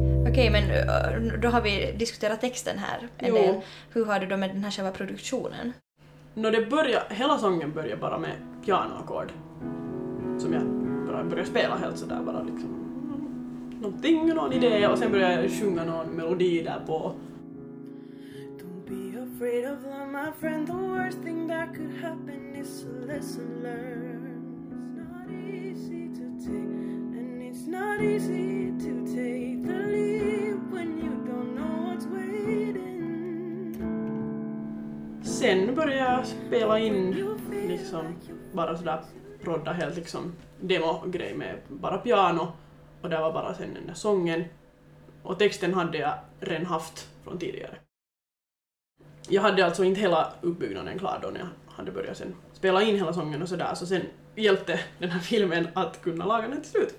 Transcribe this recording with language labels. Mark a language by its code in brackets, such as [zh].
[sv] Okej, men då har vi diskuterat texten här. Eller, hur har du då med den här själva produktionen? När det börjar, hela sången börjar bara med pianoackord. Som jag börjar spela helt sådär bara liksom någonting, någon idé och sen börjar jag sjunga någon melodi där på. [en] Afraid of love, my friend, the worst thing that could happen is to lesson learned. It's not easy to take, and it's not easy to take the leap when you don't know what's waiting. [sv] Sen började jag spela in, liksom, bara sådär prodda helt liksom demo-grej med bara piano. Och det var bara sen den där sången. Och texten hade jag redan haft från tidigare. Jag hade alltså inte hela uppbyggnaden klar då när jag hade börjat sen spela in hela sången och sådär. Så sen hjälpte den här filmen att kunna laga den till slut.